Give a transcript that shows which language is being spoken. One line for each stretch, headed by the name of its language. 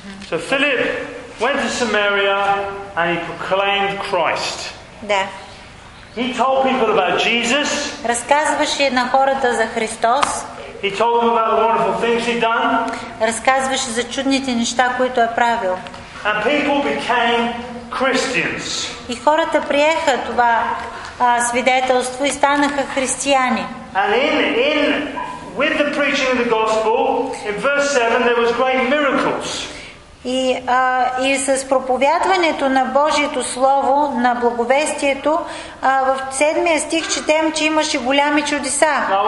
English: So Philip went to Samaria and he proclaimed Christ.
Bulgarian: Да.
English: He told people about Jesus.
Bulgarian: Разказваше на хората за Христос.
English: He told them about the wonderful things he'd done.
Bulgarian: Разказваше за чудните неща, които е правил.
English: And people became Christians.
Bulgarian: И хората приеха това свидетелство и станаха християни.
English: And in with the preaching of the gospel, in verse 7 there was great miracles.
Bulgarian: И с проповядването на Божието Слово, на благовестието, в 7 стих четем, че имаше голями чудеса.